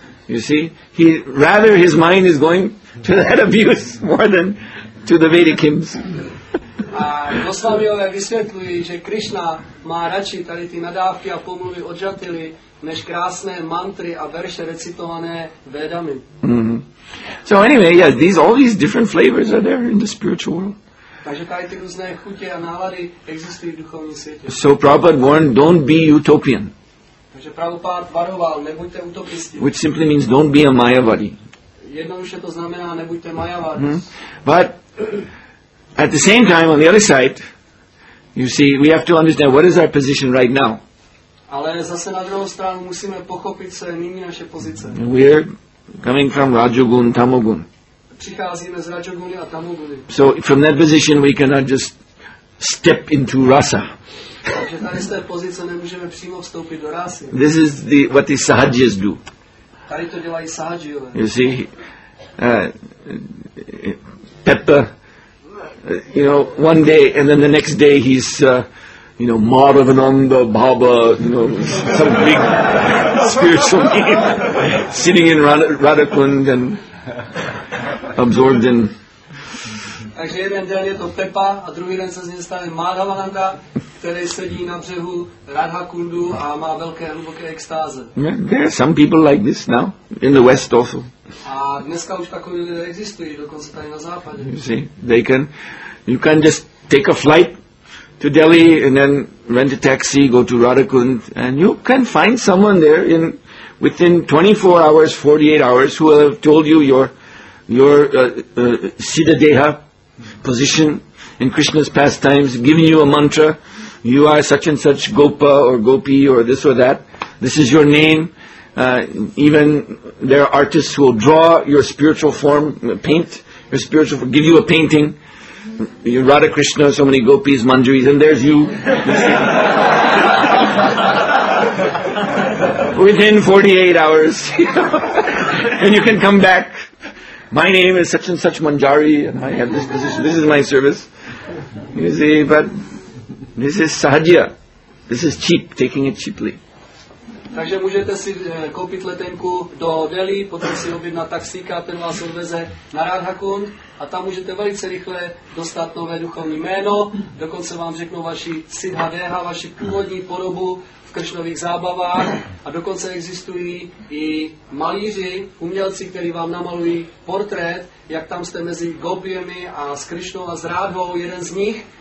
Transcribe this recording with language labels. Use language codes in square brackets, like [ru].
[en] You see, his mind is going to that abuse more than to the Vedic hymns. [cs] A Goswamiové vysvětlují, že Krishna má radši tady ty nadávky a pomluvy od Jatily, než krásné mantry a verše recitované Vedami. Mm-hmm. [en] So anyway, yeah, all these different flavors are there in the spiritual world. [cs] Takže tady ty různé chutě a nálady existují v duchovním světě. [en] So Prabhupada warned, don't be utopian. [cs] Takže Prabhupada varoval, nebuďte utopisti. [en] Which simply means don't be a mayavadi. [cs] Jednoduše to znamená, nebuďte mayavadi. Mm-hmm. [en] But at the same time, on the other side, you see, we have to understand what is our position right now. [cs] Ale zase na druhou stranu musíme pochopit, co je nyní naše pozice. [en] We are coming from Rajogun, Tamogun. [cs] Přicházíme z Rajoguny a Tamoguny. [en] So from that position we cannot just step into rasa. [cs] Takže tady z té pozice nemůžeme přímo vstoupit do rásy. [en] This is the what the sahajis do. [cs] Tady to dělají sahajiové. [en] You see, pepper, you know, one day and then the next day he's you know, Madhavananda, Baba, you know, some big spiritual name, sitting in Radhakund and absorbed in. [cs] Takže jeden den je to Pepa a druhý den se z něj stane Madhavananda, který sedí na břehu Radhakundu a má velké hluboké extáze. [en] Yeah, there are some people like this now, in the West also. [cs] A dneska už takový lidé existují, dokonce tady na západě. [en] You see, they can, you can just take a flight to Delhi and then rent a taxi, go to Radhakund, and you can find someone there in within 24 hours, 48 hours, who will have told you your Siddha Deha position in Krishna's pastimes, giving you a mantra, you are such and such Gopa or Gopi or this or that, this is your name. Even there are artists who will draw your spiritual form, paint your spiritual form, give you a painting. Radha Krishna, so many gopis, manjaris, and there's you. Within 48 hours. And you can come back. My name is such and such manjari, and I have this position. This is my service. You see, but this is sahajya. This is cheap, taking it cheaply. [cs] Takže můžete si koupit letenku do Delhi, potom si objednat taxíka, ten vás odveze na Radhakund a tam můžete velice rychle dostat nové duchovní jméno, dokonce vám řeknou vaši Siddha Deha, vaši původní podobu v Kršnových zábavách a dokonce existují i malíři, umělci, kteří vám namalují portrét, jak tam jste mezi Gopiemi a s Kršnou a s Rádhou, jeden z nich.